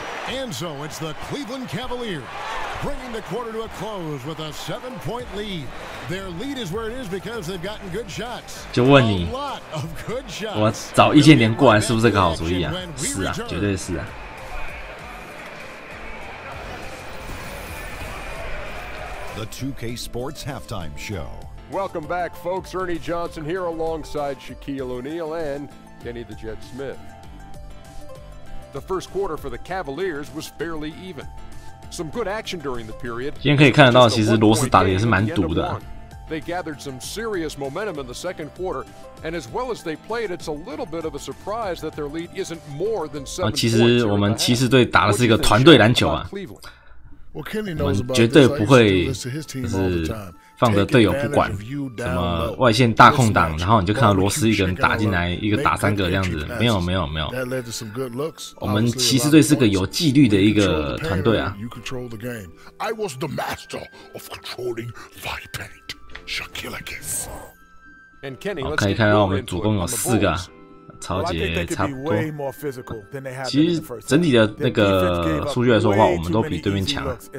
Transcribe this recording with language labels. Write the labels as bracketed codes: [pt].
[en] And so it's the Cleveland Cavaliers bringing the quarter to a close with a 7-point lead. Their lead is where it is because they've gotten good shots. [zh] 就问你，我找易建联过来是不是个好主意啊？是啊，绝对是啊。 [en] The 2K Sports Halftime Show. Welcome back, folks. Ernie Johnson here alongside Shaquille O'Neal and Kenny the Jet Smith. The first quarter for the Cavaliers was fairly even. Some good action during the period. [zh] 今天可以看得到，其实罗斯打的也是蛮毒的。 [en] They gathered some serious momentum in the second quarter, and as well as they played, it's a little bit of a surprise that their lead isn't more than 7 points. [zh] 其实我们骑士队打的是一个团队篮球啊，我们绝对不会就是。放着队友不管，什么外线大空档，然后你就看到罗斯一个人打进来，一个打三个这样子，没有没有没有。我们骑士队是个有纪律的一个团队啊。 [en] I was the master of controlling fire paint, Shaquille Akis. [zh] 好，可以看到我们主攻有四个。超级差不多。其实整体的那个数据来说的话，我们都比对面强。